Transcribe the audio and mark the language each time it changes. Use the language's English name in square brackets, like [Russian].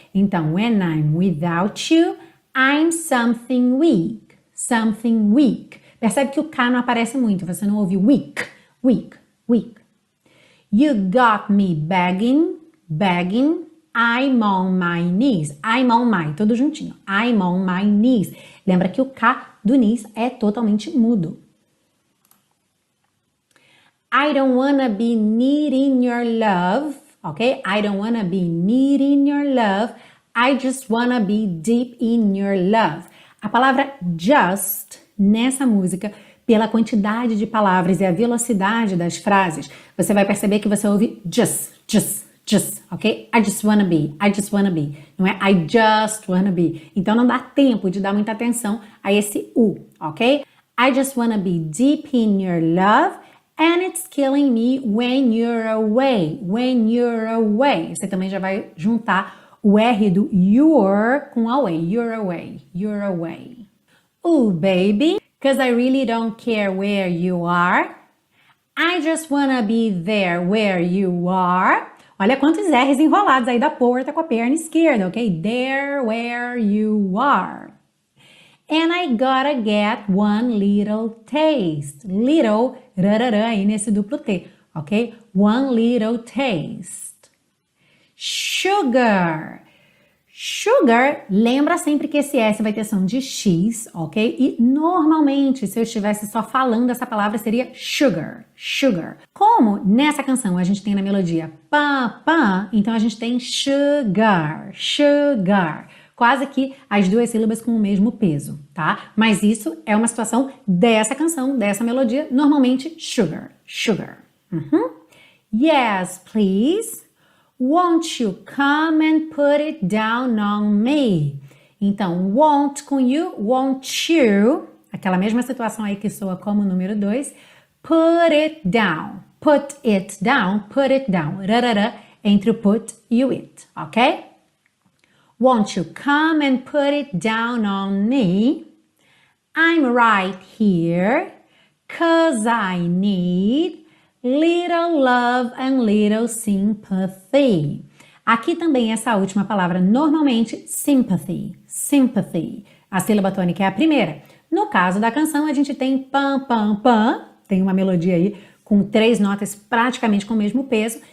[Portuguese] Então, [English] when I'm without you, I'm something weak, something weak. [Portuguese] Percebe que o K não aparece muito, você não ouve weak, weak, weak. [English] You got me begging, I'm on my knees, I'm on my, [Portuguese] tudo juntinho, [English] I'm on my knees. [Portuguese] Lembra que o K do knees é totalmente mudo. [English] I don't wanna be needing your love, ok? I don't wanna be needing your love. I just wanna be deep in your love. [Portuguese] A palavra [English] just [Portuguese] nessa música, pela quantidade de palavras e a velocidade das frases, você vai perceber que você ouve just, ok? [English] I just wanna be, [Portuguese] não é [English] I just wanna be. [Portuguese] Então não dá tempo de dar muita atenção a esse U, ok? [English] I just wanna be deep in your love and it's killing me when you're away, when you're away. [Portuguese] Você também já vai juntar o R do your com away, [English] you're away, you're away. Ooh, baby, 'cause I really don't care where you are. I just wanna be there where you are. [Portuguese] Olha quantos R's enrolados aí da porta com a perna esquerda, ok? [English] There where you are. And I gotta get one little taste. [Portuguese] Little, rararã, aí nesse duplo T, ok? [English] One little taste. Sugar. [Portuguese] Sugar, lembra sempre que esse S vai ter som de X, ok? E normalmente, se eu estivesse só falando essa palavra, seria sugar, sugar. Como nessa canção a gente tem na melodia pam, pam, então a gente tem sugar, sugar. Quase que as duas sílabas com o mesmo peso, tá? Mas isso é uma situação dessa canção, dessa melodia, normalmente sugar, sugar. [English] Yes, please. Won't you come and put it down on me? [Portuguese] Então, [English] won't com you, won't you? [Portuguese] Aquela mesma situação aí que soa como o número 2. [English] Put it down, put it down, put it down. [Portuguese] Rarara, entre o put e o it, ok? [English] Won't you come and put it down on me? I'm right here, 'cause I need little love and little sympathy. [Portuguese] Aqui também essa última palavra, normalmente sympathy, sympathy. A sílaba tônica é a primeira. No caso da canção, a gente tem pam, pam, pam. Tem uma melodia aí com três notas praticamente com o mesmo peso.